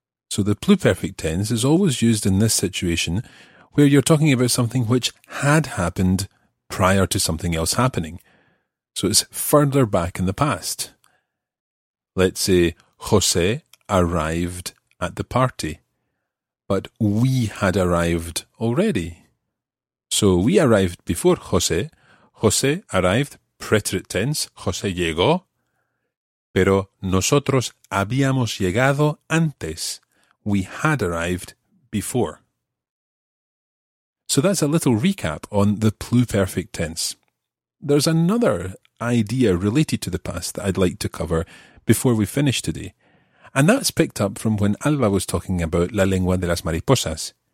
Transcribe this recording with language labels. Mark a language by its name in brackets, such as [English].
[English] So the pluperfect tense is always used in this situation where you're talking about something which had happened prior to something else happening. So it's further back in the past. Let's say José arrived at the party, but we had arrived already. So we arrived before José. [Spanish] José [English] arrived, preterite tense, [Spanish] José llegó, pero nosotros habíamos llegado antes. [English] We had arrived before. So that's a little recap on the pluperfect tense. There's another idea related to the past that I'd like to cover before we finish today, and that's picked up from when Alba was talking about La Lengua de las Mariposas.